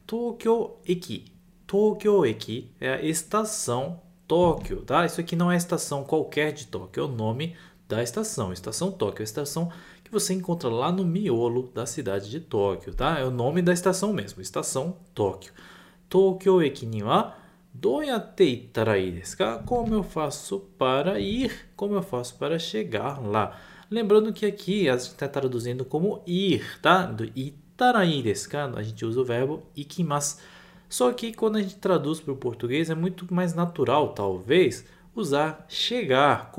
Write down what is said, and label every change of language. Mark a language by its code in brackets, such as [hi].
[pt] 東京駅、estação Tóquio, tá? Isso aqui não é estação qualquer de Tóquio, é o nome da estação. Estação Tóquio é a estação que você encontra lá no miolo da cidade de Tóquio, tá? É o nome da estação mesmo, estação Tóquio. [ja] Tóquio駅にはどうやって行ったらいいですか？ [pt] Como eu faço para ir? Como eu faço para chegar lá? Lembrando que aqui a gente está traduzindo como ir, tá? [ja] Do itarai desu ka, [pt] a gente usa o verbo ikimasu. Só que quando a gente traduz para o português é muito mais natural, talvez, usar chegar.